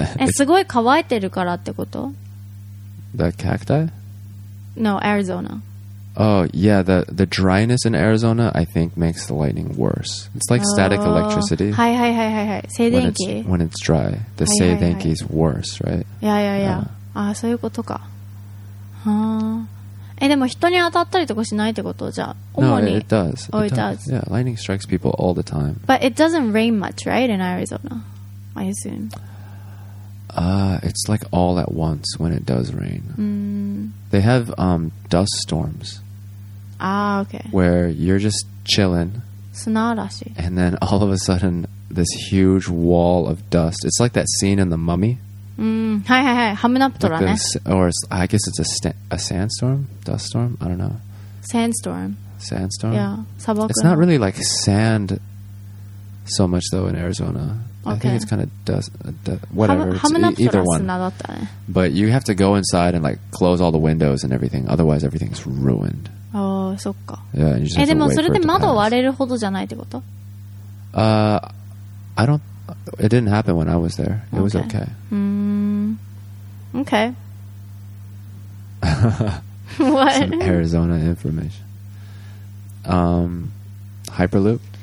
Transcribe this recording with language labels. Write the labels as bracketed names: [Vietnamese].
[Japanese] すごい乾いてるからってこと? [English] The cacti? No, Arizona. Oh yeah, the dryness in Arizona I think makes the lightning worse. It's like static electricity. [Japanese] はいはいはいはいはい。静電気? [English] When it's dry, the seidenki is worse, right? Yeah, yeah, yeah. [Japanese] あ、そういうことか。はあ。でも人に当たったりとかしないってこと?じゃあ、主に? [English] No, it does. Oh, it does. Yeah, lightning strikes people all the time. But it doesn't rain much, right, in Arizona, I assume. It's like all at once when it does rain. They have dust storms. Ah, okay. Where you're just chilling. [Japanese] 砂嵐. [English] And then all of a sudden, this huge wall of dust. It's like that scene in The Mummy. [Japanese] はいはいはい、ハムナプトラね。 [English] Or I guess it's a sandstorm? Dust storm? I don't know. Sandstorm. Sandstorm? Yeah, 砂漠。 It's not really like sand so much though in Arizona. Okay. I think it's kind of dust, whatever. [Japanese] ハムナプトラ砂だったね。 [English] But you have to go inside and like close all the windows and everything. Otherwise everything's ruined. [Japanese] Oh, そっか。 [English] Yeah, and you just have to wait for it to pass. [Japanese] でもそれで窓割れるほどじゃないってこと? [English] I don't... It didn't happen when I was there. It was okay. Okay. What? Some Arizona information. Hyperloop?